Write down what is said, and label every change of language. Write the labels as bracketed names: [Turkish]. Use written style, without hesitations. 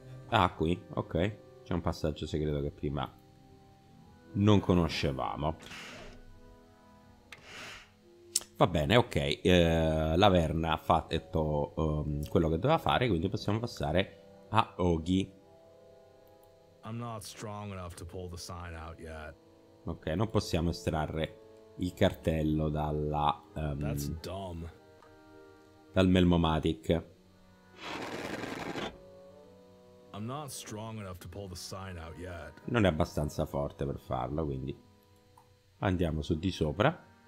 [Italian] Ah, qui, ok. C'è un passaggio segreto che prima non conoscevamo. Va bene, ok. Laverna ha fatto quello che doveva fare, quindi possiamo passare a Oggy. [English] I'm not strong enough to pull the sign out yet. [Italian] Ok, non possiamo estrarre il cartello dalla [English] That's dumb. [Italian] Dal Melmomatic. [English] I'm not strong enough to pull the sign out yet. [Italian] Non è abbastanza forte per farlo, quindi andiamo su di sopra.